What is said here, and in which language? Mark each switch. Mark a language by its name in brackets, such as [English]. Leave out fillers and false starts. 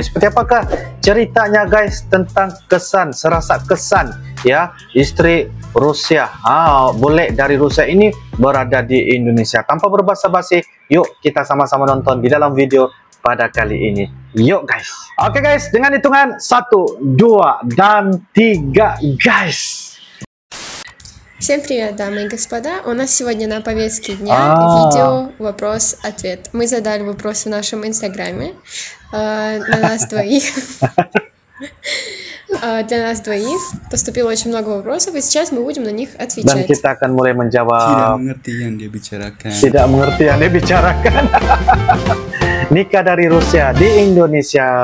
[Indonesian] Seperti apakah ceritanya guys tentang kesan, serasa kesan ya istri Rusia, bule dari Rusia ini berada di Indonesia. Tanpa berbasa-basi, yuk kita sama-sama nonton di dalam video pada kali ini. Yuk guys. Oke guys, dengan hitungan 1, 2, dan 3 guys. [Russian] Всем привет, дамы и господа. У нас сегодня на повестке дня видео вопрос-ответ. Мы задали вопрос в нашем инстаграме на нас двоих. Для нас двоих поступило очень много вопросов, и сейчас мы будем на них отвечать. [Indonesian] Dan kita akan mulai menjawab. Tidak mengerti yang dia bicarakan. Tidak mengerti yang dia bicarakan. Nikah dari Rusia di Indonesia.